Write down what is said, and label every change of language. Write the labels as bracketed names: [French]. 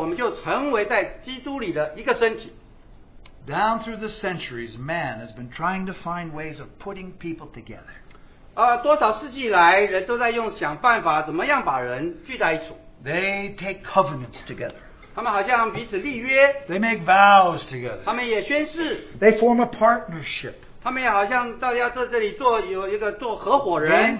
[Chinese] 因为有你圣灵在你里头，也在我里头，我们就成为在基督里的一个身体。 [English] Down through the centuries, man has been trying to find ways of putting people together. [Chinese] 多少世纪来，人都在用想办法怎么样把人聚在一处。 [English] They take covenants together. [Chinese] 他们好像彼此立约。 [English] They make vows together. [Chinese] 他们也宣誓。 [English] They form a partnership. [Chinese] 他们也好像大家在这里做合伙人。